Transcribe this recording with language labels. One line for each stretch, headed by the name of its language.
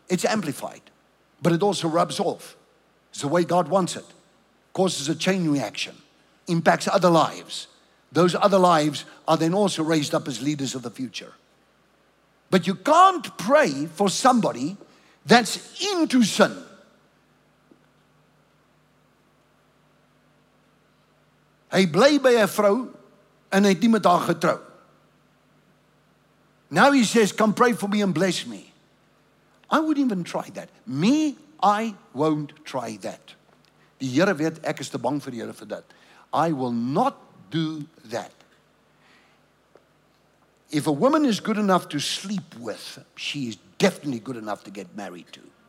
English: It's amplified, but it also rubs off. It's the way God wants it. Causes a chain reaction, impacts other lives. Those other lives are then also raised up as leaders of the future. But you can't pray for somebody that's into sin.
Afrikaans: Hy bly by 'n vrou en hy het nie met haar getrou.
English: Now he says, come pray for me and bless me. I wouldn't even try that. Me, I won't try that.
Afrikaans: Die Here weet, ek is te bang vir die Here vir dit.
English: I will not do that. If a woman is good enough to sleep with, she is definitely good enough to get married to.